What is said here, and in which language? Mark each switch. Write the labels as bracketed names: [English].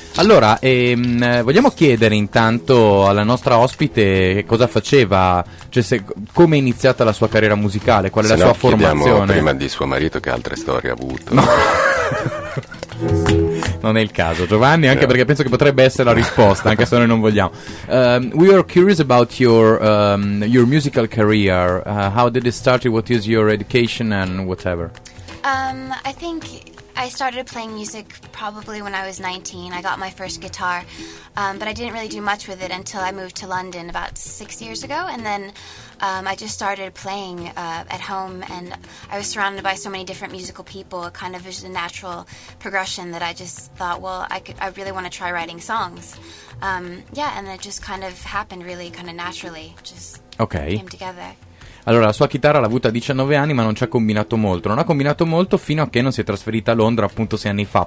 [Italian] Allora, vogliamo chiedere intanto alla nostra ospite cosa faceva, cioè se, come è iniziata la sua carriera musicale, qual è se la sua formazione. Prima di suo marito, che altre storie ha avuto? No. Non è il caso, Giovanni, anche no. Perché penso che potrebbe essere la risposta, anche se noi non vogliamo. [English] We are curious about your musical career. How did it start? What is your education and whatever? I think I started playing music probably when I was 19. I got my first guitar, but I didn't really do much with it until I moved to London about 6 years ago, and then I just started playing at home, and I was surrounded by so many different musical people. It kind of was a natural progression that I just thought, well, I really want to try writing songs. And it just kind of happened really kind of naturally, just came together. [Italian] Allora, la sua chitarra l'ha avuta a 19 anni, ma non ci ha combinato molto. Non ha combinato molto fino a che non si è trasferita a Londra, appunto, 6 anni fa.